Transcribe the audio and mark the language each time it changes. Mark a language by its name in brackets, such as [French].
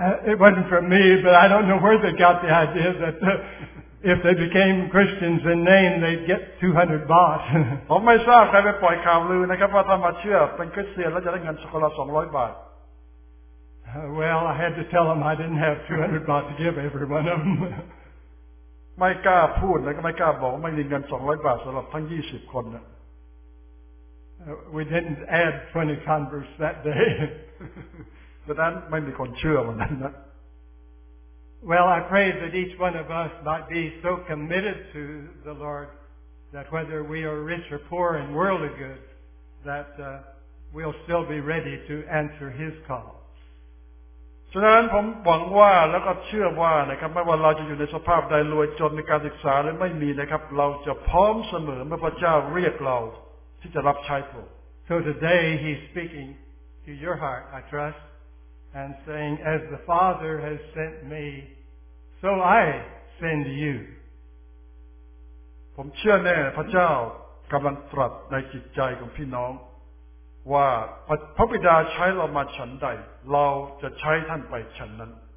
[English] it wasn't from me but I don't know where they got the idea that if they became Christians in name they'd get 200 baht [Thai] ผมไม่ทราบใครไปปล่อยข่าวลือนะครับว่าถ้ามาเชื่อเป็นคริสเตียนแล้วจะได้เงินสักละ200บาท [English] Well, I had to tell them I didn't have 200 baht to give every one of them. [Thai] ไม่กล้าพูดแล้วก็ไม่กล้าบอกว่าไม่มีเงิน200บาทสำหรับทั้ง20คนนะ [English] We didn't add 20 converts that day. [Thai] ดังนั้นไม่มีคนเชื่อวันนั้นนะ [English] Well, I pray that each one of us might be so committed to the Lord that whether we are rich or poor in worldly goods, that we'll still be ready to answer His call. [Thai] ฉะนั้นผมหวังว่าแล้วก็เชื่อว่านะครับไม่ว่าเราจะอยู่ในสภาพใดรวยจนในการศึกษาหรือไม่มีนะครับเราจะพร้อมเสมอเมื่อพระเจ้าเรียกเราที่จะรับใช้พระองค์ [English] So today he's speaking to your heart I trust and saying as the Father has sent me so I send you [Thai] ผมเชื่อแน่พระเจ้ากำลังตรัสในจิตใจของพี่น้องว่าพระบิดาใช้เรามาฉันใดเราจะใช้ท่านไปฉันนั้น